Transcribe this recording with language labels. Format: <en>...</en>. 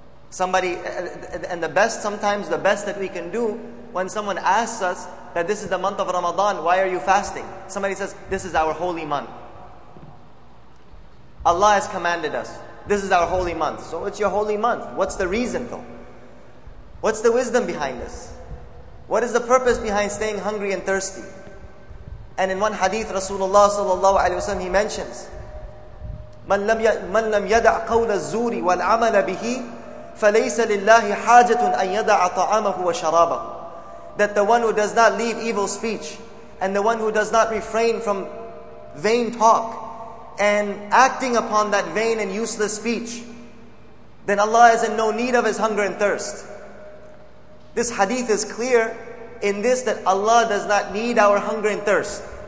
<en>Somebody, and the best, sometimes the best that we can do, when someone asks us that this is the month of Ramadan, why are you fasting? Somebody says, this is our holy month. Allah has commanded us. This is our holy month. So it's your holy month. What's the reason though? What's the wisdom behind this? What is the purpose behind staying hungry and thirsty? And in one hadith, Rasulullah sallallahu alaihi wasallam, he mentions,</en> <ar>مَنْ لَمْ يَدَعْ قَوْلَ الزُّورِ وَالْعَمَلَ بِهِ فَلَيْسَ لِلَّهِ حَاجَةٌ أَنْ يَدَعَ طَعَامَهُ وَشَرَابَهُ.</ar> <en>That the one who does not leave evil speech, and the one who does not refrain from vain talk, and acting upon that vain and useless speech, then Allah is in no need of his hunger and thirst. This hadith is clear in this, that Allah does not need our hunger and thirst.</en>